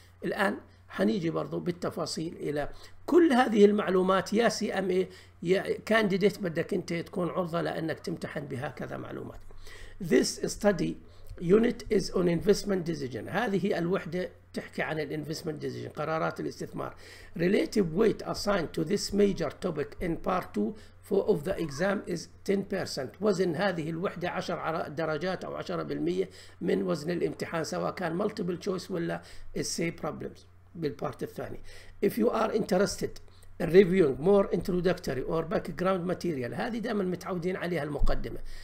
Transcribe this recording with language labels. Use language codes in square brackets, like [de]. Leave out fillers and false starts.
[ar] الان حنيجي برضو بالتفاصيل الى كل هذه المعلومات يا سي ام اي يا كانديديت، بدك انت تكون عرضه لانك تمتحن بهكذا معلومات. [en] This study unit is on investment decision. [ar] هذه الوحدة تحكي عن الـ investment decision، قرارات الاستثمار. [en] Relative weight assigned to this major topic in part 2 of the exam is 10%. [ar] وزن هذه الوحدة 10 درجات أو 10% من وزن الامتحان، سواء كان multiple choice ولا essay problems بالبارت الثاني. [en] If you are interested in reviewing more introductory or background material، [ar] هذه دائما متعودين عليها المقدمة.